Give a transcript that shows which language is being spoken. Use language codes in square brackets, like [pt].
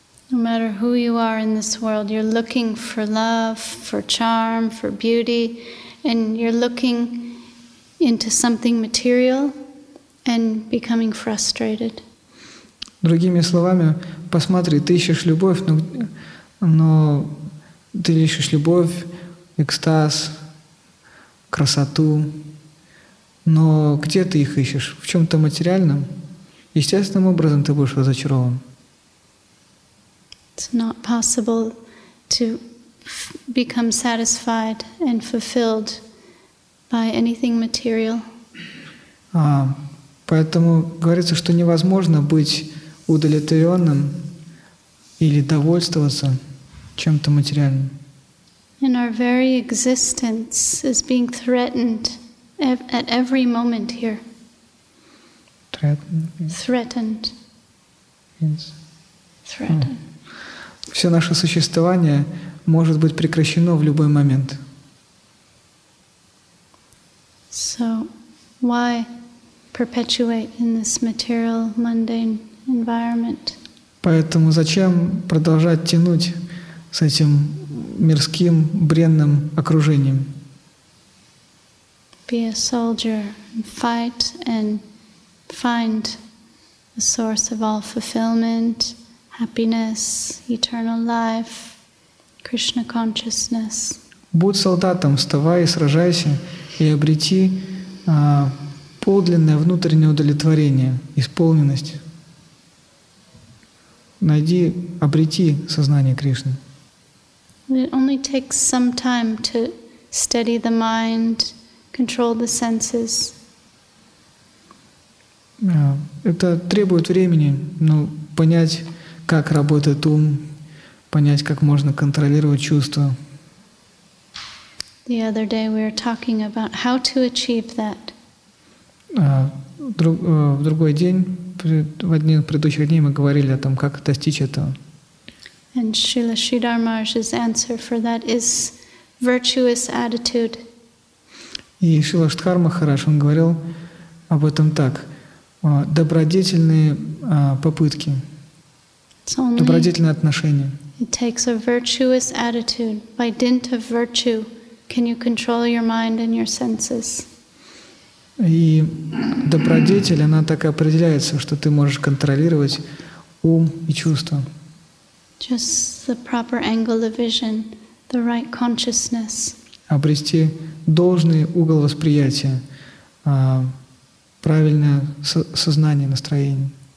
[en] No matter who you are in this world, you're looking for love, for charm, for beauty, and you're looking into something material and becoming frustrated. [ru] Другими словами, посмотри, ты ищешь любовь, но ты ищешь любовь, экстаз, красоту. Но где ты их ищешь? В чем-то материальном? Естественным образом ты будешь разочарован. [en] It's not possible to become satisfied and fulfilled by anything material. [ru] Поэтому говорится, что невозможно быть удовлетворенным или довольствоваться чем-то материальным. [en] And our very existence is being threatened at every moment here. Threatened. Yes. Threatened. [ru] Все наше существование может быть прекращено в любой момент. [en] So, why perpetuate in this material, mundane environment? [ru] Поэтому зачем продолжать тянуть с этим мирским, бренным окружением? [en] Be a soldier and fight and find the source of all fulfillment, happiness, eternal life, Krishna consciousness. [ru] Будь солдатом, вставай и сражайся, и обрети подлинное внутреннее удовлетворение, исполненность. Найди, обрети сознание Кришны. [en] It only takes some time to steady the mind. Control the senses. [ru] Это требует времени, но понять, как работает ум, понять, как можно контролировать чувства. [en] The other day we were talking about how to achieve that. [ru] В другой день, в один из предыдущих дней мы говорили о том, как достичь этого. [en] And Srila Sridhar Maharaj's answer for that is virtuous attitude. [ru] И Шрила Шридхар Махарадж, он говорил об этом так. Добродетельные попытки. Добродетельные отношения. [en] It takes a virtuous attitude. By dint of virtue, can you control your mind and your senses? [ru] И добродетель, она так и определяется, что ты можешь контролировать ум и чувства. [en] Just the proper angle of vision, the right consciousness. [ru] Обрести должный угол восприятия, правильное сознание, настроение.